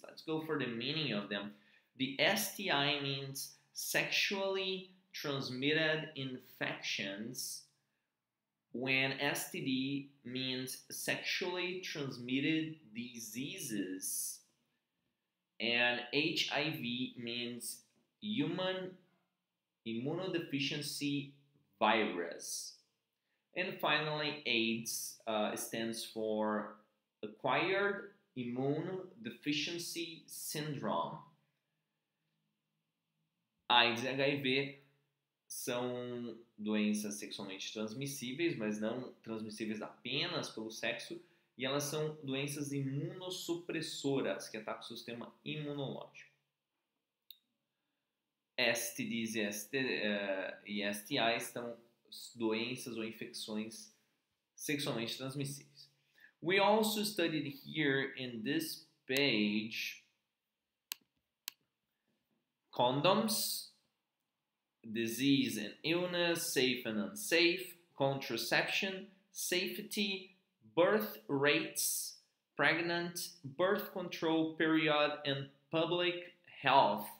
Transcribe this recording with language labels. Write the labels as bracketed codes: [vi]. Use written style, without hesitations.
[en] Let's go for the meaning of them. The STI means sexually transmitted infections, when STD means sexually transmitted diseases, and HIV means human immunodeficiency virus. And finally, AIDS stands for acquired immune deficiency syndrome. [pt] AIDS e HIV são doenças sexualmente transmissíveis, mas não transmissíveis apenas pelo sexo, e elas são doenças imunossupressoras que atacam o sistema imunológico. STDs e STIs são doenças ou infecções sexualmente transmissíveis. [en] We also studied here in this page condoms, disease and illness, safe and unsafe, contraception, safety, birth rates, pregnant, birth control period, and public health.